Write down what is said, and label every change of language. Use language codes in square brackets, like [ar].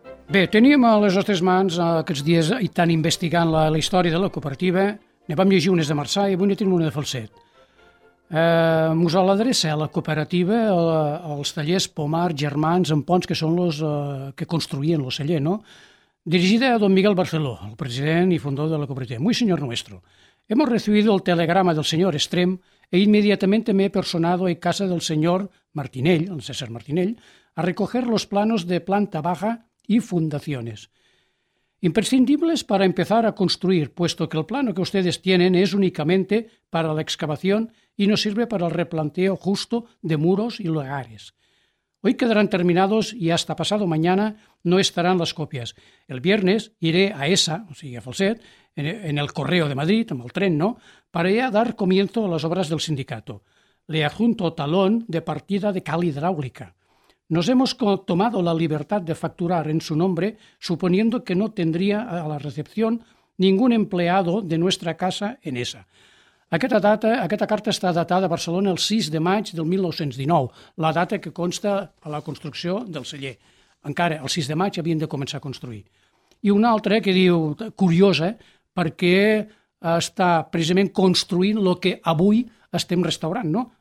[ca] Bé, teníem a les nostres mans aquests dies i tant investigant la història de la cooperativa, ne vam llegir unes de Marçà i avui ne tenim una de Falset. Us l'adreça a la cooperativa, als tallers Pomar, Germans, en Pons, que són els que construïen el celler, no? Dirigida a don Miguel Barceló, el president i fundador de la cooperativa. [es] Muy señor nuestro. Hemos recibido el telegrama del señor Extrem e inmediatamente me he personado en casa del señor Martinell, el César Martinell, a recoger los planos de planta baja y fundaciones. Imprescindibles para empezar a construir, puesto que el plano que ustedes tienen es únicamente para la excavación y no sirve para el replanteo justo de muros y lugares. Hoy quedarán terminados y hasta pasado mañana no estarán las copias. El viernes iré a ESA, o sea, a Falset, en el correo de Madrid, en el tren, ¿no?, para ya dar comienzo a las obras del sindicato. Le adjunto talón de partida de cal hidráulica. Nos hemos tomado la libertad de facturar en su nombre, suponiendo que no tendría a la recepción ningún empleado de nuestra casa en ESA. [ca] Aquesta carta està datada a Barcelona el 6 de maig del 1919, la data que consta a la construcció del celler. Encara el 6 de maig havien de començar a construir. I una altra que diu, curiosa, perquè està precisament construint el que avui estem restaurant, no?